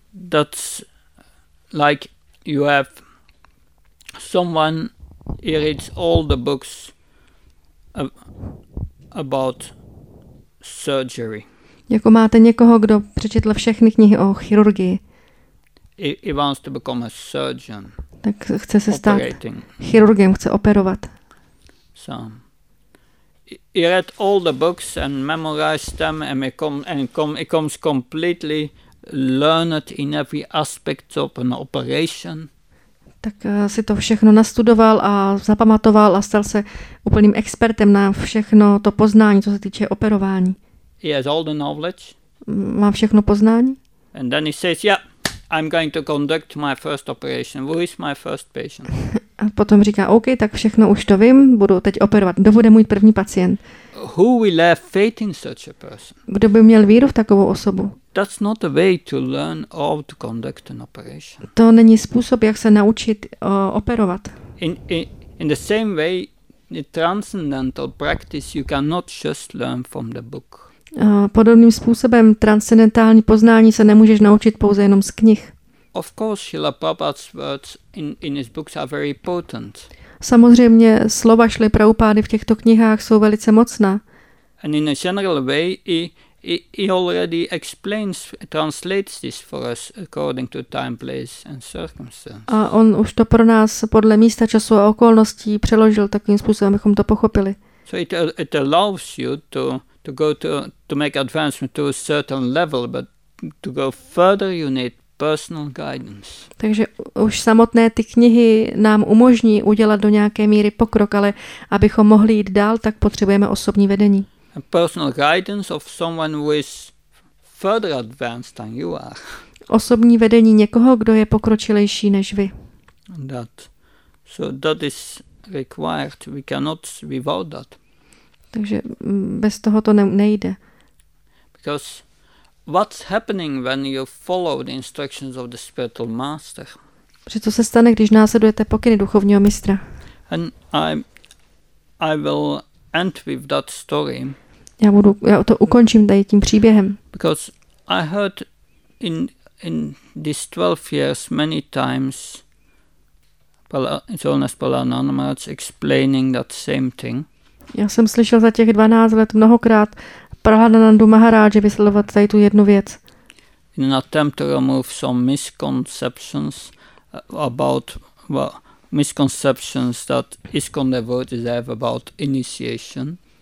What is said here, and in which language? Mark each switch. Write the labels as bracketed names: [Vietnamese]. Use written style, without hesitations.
[English] That's like you have someone who reads all the books about surgery. [Czech] Jako máte někoho, kdo přečetl všechny knihy o chirurgii. [English] He wants to become a surgeon. [Czech] Tak chce se stát chirurgem, chce operovat. [English] So, he read all the books and memorized them and becomes completely learned in every aspect of an operation. [Czech] Tak si to všechno nastudoval a zapamatoval a stal se úplným expertem na všechno to poznání, co se týče operování. [English] He has all the knowledge. [Czech] Má všechno poznání. [English] And then he says, yeah, I'm going to conduct my first operation. Who is my first patient? [Czech] A potom říká, OK, tak všechno už to vím, budu teď operovat. Kdo bude můj první pacient? [English] Who will have faith in such a person? [Czech] Kdo by měl víru v takovou osobu? [English] That's not the way to learn or to conduct an operation. [Czech] To není způsob, jak se naučit operovat. [English] In the same way, the transcendental practice, you cannot just learn from the book. [Czech] Podobným způsobem transcendentální poznání se nemůžeš naučit pouze jenom z knih. [English] Of course, Srila Prabhupada's words in his books are very potent. [Czech] Samozřejmě slova Srily Prabhupády v těchto knihách jsou velice mocná. [English] And in a general way, he already explains, translates this for us according to time, place and circumstance. [Czech] A on už to pro nás podle místa, času a okolností přeložil takovým způsobem, abychom to pochopili. [English] So it allows you to go to make advancement to a certain level, but to go further you need personal guidance. [Czech] Takže už samotné ty knihy nám umožní udělat do nějaké míry pokrok, ale abychom mohli jít dál, tak potřebujeme osobní vedení. [English] A personal guidance of someone who is further advanced than you are. [Czech] Osobní vedení někoho, kdo je pokročilejší než vy. [English] So that is required. We cannot without that. [Czech] Takže bez toho to nejde. [English] Because what's happening when you follow the instructions of the spiritual master? [Czech] Protože co se stane, když následujete pokyny duchovního mistra? [English] And I will end with that story. [Czech] Já to ukončím tady tím příběhem. [English] Because I heard in these 12 years many times Jonas Palananamaj explaining that same thing. [Czech] Já jsem slyšel za těch 12 let mnohokrát Prahlananandu Maharáže vysvětlovat tady tu jednu věc. [English] In an attempt to remove some misconceptions about misconceptions that ISKCON devotees have about initiation.